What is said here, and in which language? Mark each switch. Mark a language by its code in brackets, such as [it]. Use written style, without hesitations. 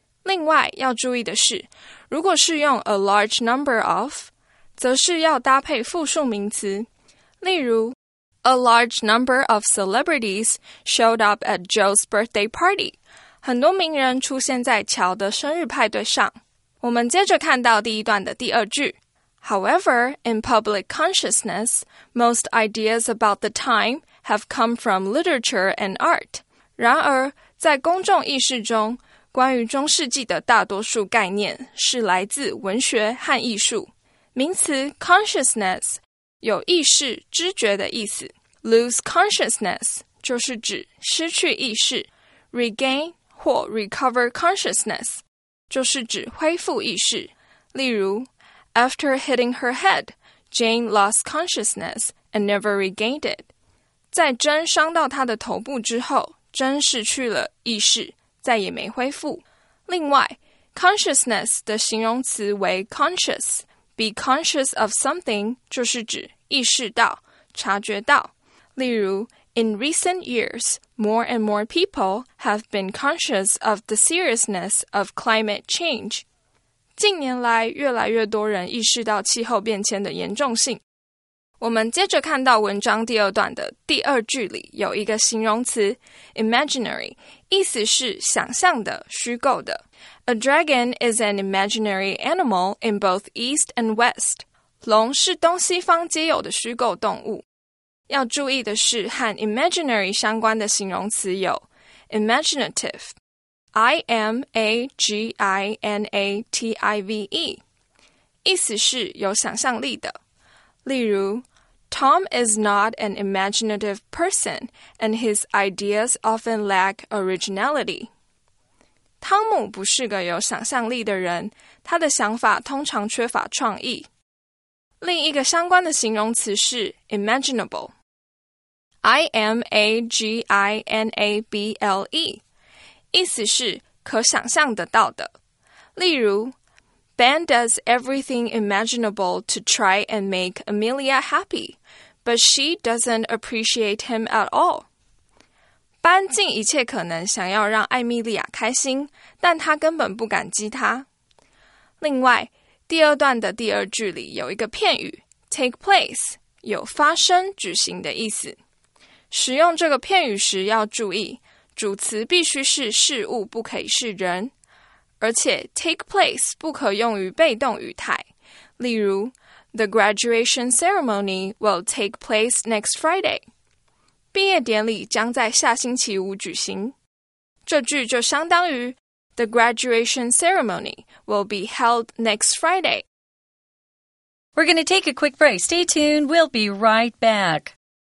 [zh] 另外要注意的是，如果是用 [en] a large number of， [zh] 则是要搭配复数名词。例如， [en] A large number of celebrities showed up at Joe's birthday party. [zh] 很多名人出现在乔的生日派对上。我们接着看到第一段的第二句。 [en] However, in public consciousness, most ideas about the time have come from literature and art. [zh] 然而，在公众意识中，关于中世纪的大多数概念是来自文学和艺术。名词 consciousness有意识、知觉的意思。 Lose consciousness 就是指失去意识。 Regain 或 recover consciousness 就是指恢复意识。例如 [en] ,After hitting her head, Jane lost consciousness and never regained it. [zh] 在珍伤到她的头部之后，珍失去了意识，再也没恢复。另外 ,consciousness 的形容词为 conscious, [en] Be conscious of something [zh] 就是指意识到、察觉到。例如 [en] ,In recent years, more and more people have been conscious of the seriousness of climate change. [zh] 近年来越来越多人意识到气候变迁的严重性。我们接着看到文章第二段的第二句里有一个形容词 ,imaginary, 意思是想象的、虚构的。 [en] A dragon is an imaginary animal in both East and West. [zh] 龙是东西方皆有的虚构动物。要注意的是，和 imaginary 相关的形容词有 imaginative, I-M-A-G-I-N-A-T-I-V-E, 意思是有想象力的。例如 [en] ,Tom is not an imaginative person, and his ideas often lack originality. [zh] 汤姆不是个有想象力的人，他的想法通常缺乏创意。另一个相关的形容词是 imaginable, I-M-A-G-I-N-A-B-L-E, 意思是可想象得到的。例如 [en] ,Ben does everything imaginable to try and make Amelia happy, but she doesn't appreciate him at all. [zh] 班尽一切可能想要让艾米莉亚开心，但他根本不感激她。另外，第二段的第二句里有一个片语 take place， 有发生、举行的意思。使用这个片语时要注意，主词必须是事物，不可以是人。而且 [en] take place [zh] 不可用于被动语态。例如 [en] ，The graduation ceremony will take place next Friday. [zh] 毕业典礼将在下星期五举行。这句就相当于 [en] The graduation ceremony will be held next Friday. We're going to take a quick break. Stay tuned. We'll be right back.